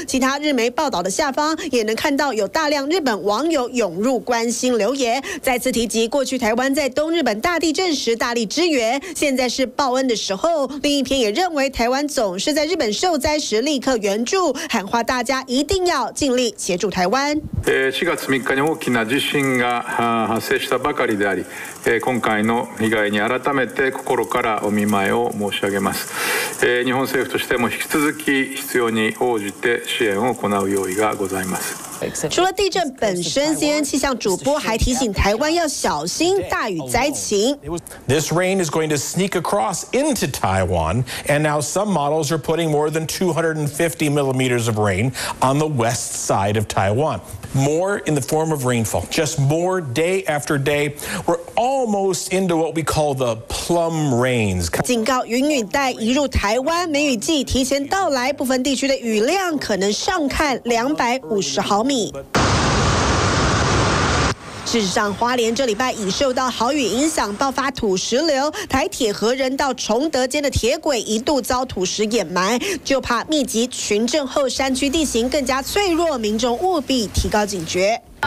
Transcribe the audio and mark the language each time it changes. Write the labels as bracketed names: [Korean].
[Chinese] 其他日媒报道的下方也能看到有大量日本网友涌入关心留言，再次提及过去台湾在东日本大地震时大力支援，现在是报恩的时候。另一篇也认为台湾总是在日本受灾时立刻援助，喊话大家一定要尽力协助台湾。 [Japanese] 4月3日に大きな地震が発生したばかりであり、今回の被害に改めて心からお見舞いを申し上げます。日本政府としても引き続き必要に応じて支援を行う用意がございます。 [Chinese] 除了地震本身 ，CNN 气象主播还提醒台湾要小心大雨灾情。 [English] This rain is going to sneak across into Taiwan, and now some models are putting more than 250 millimeters of rain on the west side of Taiwan. More in the form of rainfall, just more day after day. We're almost into what we call the plum rains. [Chinese] 警告云雨带移入台湾，梅雨季提前到来，部分地区的雨量可能上看250毫米。事实上，花莲这礼拜已受到豪雨影响，爆发土石流，台铁和人道崇德间的铁轨一度遭土石掩埋，就怕密集群震后山区地形更加脆弱，民众务必提高警觉。